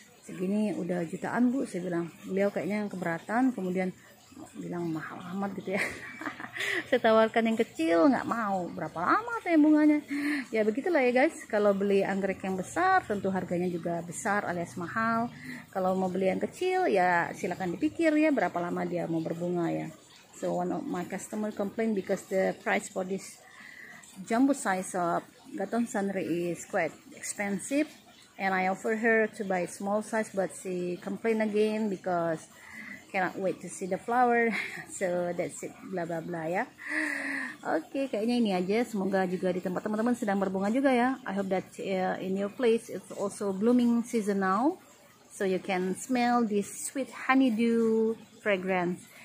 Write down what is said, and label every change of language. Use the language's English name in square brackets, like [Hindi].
[Indonesian] Segini udah jutaan bu, saya bilang. Beliau kayaknya yang keberatan, kemudian bilang mahal amat gitu ya. Saya tawarkan yang kecil, nggak mau. Berapa lama saya bunganya? Ya begitulah ya guys. Kalau beli anggrek yang besar, tentu harganya juga besar alias mahal. Kalau mau beli yang kecil, ya silakan dipikir ya berapa lama dia mau berbunga ya. [English] So one of my customer complain because the price for this jumbo size of Gaton Sunray is quite expensive, and I offer her to buy small size, but she complain again because cannot wait to see the flower. So that's it, blah blah blah ya. Okay, [Indonesian] kayaknya ini aja. Semoga juga di tempat teman-teman sedang berbunga juga ya. [English] I hope that in your place it's also blooming season now, so you can smell this sweet honeydew fragrance.